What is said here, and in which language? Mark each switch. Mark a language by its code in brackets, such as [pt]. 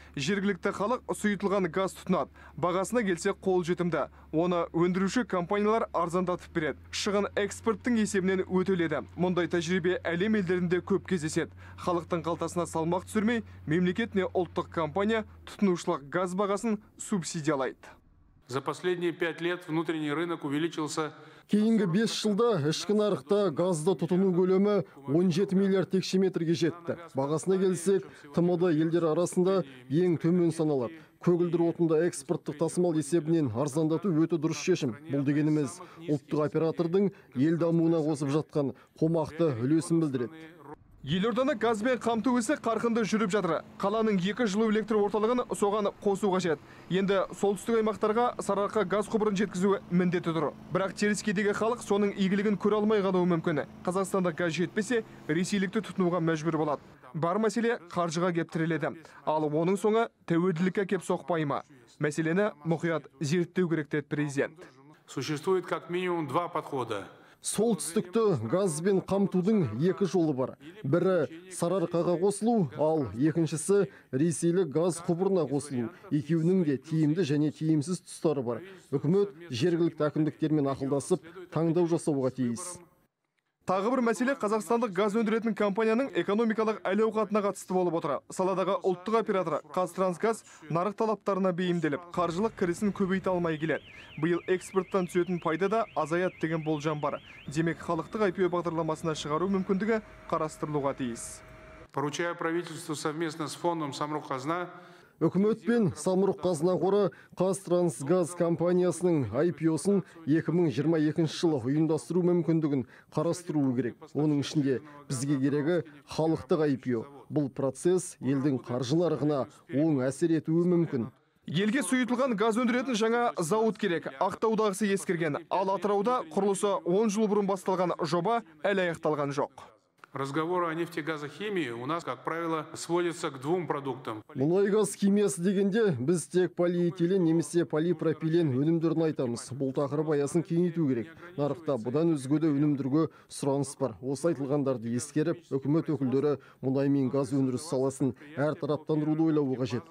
[kk] Жергілікті халық сұйытылған газ тұтынады. Бағасына келсе қол жетімді. Оны өндіруші компаниялар арзандатып береді. Шығын экспорттың есебінен өтеледі. Мұндай тәжірибе әлем елдерінде көп кездеседі. Халықтың қалтасына салмақ түсірмей, мемлекет не ұлттық компания тұтынушылық газ бағасын субсидиялайды. [ru] За последние 5 лет внутренний рынок увеличился. [kk] Кейінгі 5 жылда ішкі нарықта газды тұтыну көлемі 17 миллиард текше метрге жетті. Бағасына келсек, ТМД елдер арасында ең төмен саналады. Көгілдір отынды экспорттық тасымал есебінен арзандату өте дұрыс шешім. Бұл дегеніміз ұлттық оператордың ел дамуына қосып жатқан қомақты үлесін білдіреді. Елорданы газбен қамту ісі қарқынды жүріп жатыр. Қаланың екі жылу электр орталығын соған қосу қажет. Енді солтүстік аймақтарға сарыарқа газ құбырын жеткізуі міндеті тұр. Бірақ теріскейдегі халық соның игілігін көре алмай қалуы мүмкін. Қазақстанда газ жетпесе, ресейлікті тұтынуға мәжбүр болады. Бар мәселе қаржыға кеп тіреледі. Ал оның соңы тәуелділікке кеп соқпай ма? Мәселені мұқият зерттеу керек деді президент. [ru] Существует как минимум два подхода. [kk] Солтүстікті газбен қамтудың екі жолы бар. Бірі Сарыарқаға қосылу, ал екіншісі ресейлік газ құбырына қосылу. Екеуінің де тиімді және тиімсіз тұстары бар. Үкімет жергілікті әкімдіктермен ақылдасып таңдау жасауға тиіс. Тағы бір мәселе қазақстандық газ өндіретін компанияның экономикалық әл-ауқатына қатысты болып отыр. Саладағы ұлттық оператор Қазтрансгаз нарық талаптарына бейімделіп, қаржылық кірісін көбейте алмай келеді. Биыл экспорттан түсетін пайда да азаяды деген болжам бар. Демек, халықтық IPO бағдарламасына шығару мүмкіндігі қарастырылуға тиіс. [ru] Поручая правительству совместно с фондом Самрұқ-қазына [kk] Үкімет пен Самұрық-қазына қоры Қазтрансгаз компаниясының IPO-сын 2022 жылы ұйымдастыру мүмкіндігін қарастыруы керек. Оның ішінде бізге керегі халықтық IPO. Бұл процесс елдің қаржы нарығына оң әсер етуі мүмкін. Елге сұйытылған газ өндіретін жаңа зауыт керек. Ақтаудағысы ескірген. Ал Атырауда құрылысы 10 жыл бұрын басталған жоба әлі аяқталған жоқ. [ru] Разговоры о нефтегазохимии у нас, как правило, сводятся к двум продуктам. [kk] Мұнай газ химиясы дегенде, біз тек полиэтилен немесе полипропилен өнімдерін айтамыз. Бұл тақырып аясын кеңейту керек. Нарықта бұдан өзге де өнімдерге сұраныс бар. Осы айтылғандарды ескеріп, үкімет өкілдері мұнай мен газ өндіріс саласын әртараптандыруды ойлауы қажет.